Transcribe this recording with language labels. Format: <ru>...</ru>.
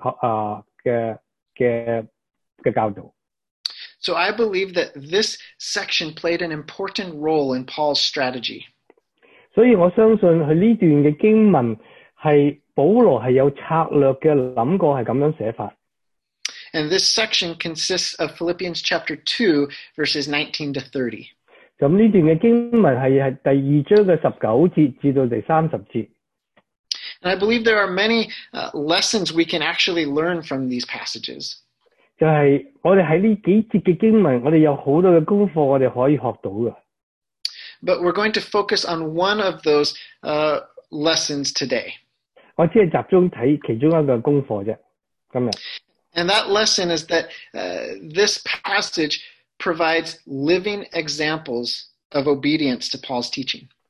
<yue>就是他其中这些这样做法，是其中一种的，在争论里面，比起一种的，争论里面，比起一种的教导。</yue> <en>So I believe that this section played an important role in Paul's strategy.</en> <yue>所以我相信他这段的经文是保罗是有策略的想过，是这样写法。</yue> <en>And this section consists of Philippians chapter 2, verses 19 to 30.</en> <yue>这段的经文是第2章的19节至第30节。</yue> <en>And I believe there are many lessons we can actually learn from these passages.</en> <yue>就是我们在这几节的经文，我们有很多的功课我们可以学到的。</yue> <en>But we're going to focus on one of those lessons today.</en> <yue>我只是集中看其中一个功课而已，今天。</yue> <en>And that lesson is that this passage provides living examples of obedience to Paul's teaching.</en>